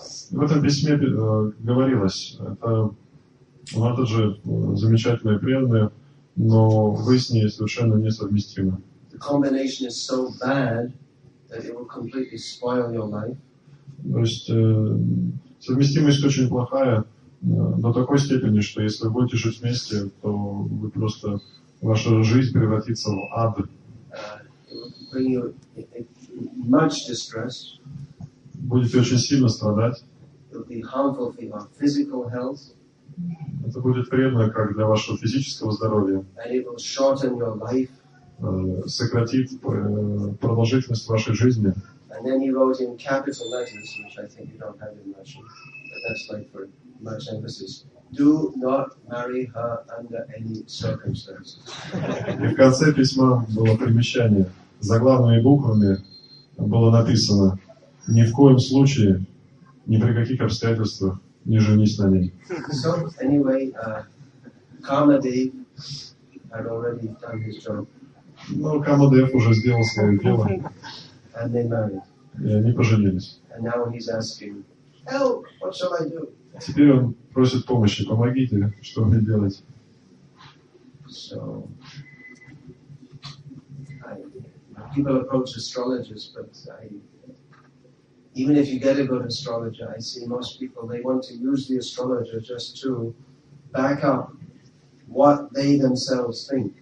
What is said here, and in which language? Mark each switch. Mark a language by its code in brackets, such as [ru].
[ru] В этом письме говорилось, это же замечательная преданная, но вы с ней совершенно несовместимы. [en] The combination is so bad that it will completely spoil your life. [ru] То есть совместимость очень плохая, до такой степени, что если вы будете жить вместе, то вы просто ваша жизнь превратится в ад. [en] Much distress. [ru] Будете очень сильно страдать. [en] It'll be harmful for your physical health. [ru] Это будет вредно как для вашего физического здоровья. [en] And it will shorten your life. [ru] Сократит продолжительность вашей жизни. [en] And then you wrote in capital letters, which I think you don't have in Russian, but that's like for much emphasis. Do not marry her under any circumstances. [ru] И в конце письма было примечание. Заглавными буквами было написано: ни в коем случае, ни при каких обстоятельствах, не женись на ней. [en] So anyway, Comedy had already done his job. [ru] Ну, Камадеев уже сделал свое дело. [en] And they married. [ru] И они поженились. [en] And now he's asking, help, what shall I do? [ru] Теперь он просит помощи. Помогите, что мне делать? [en] So, people approach astrologers, but even if you get a good astrologer, I see most people, they want to use the astrologer just to back up what they themselves think.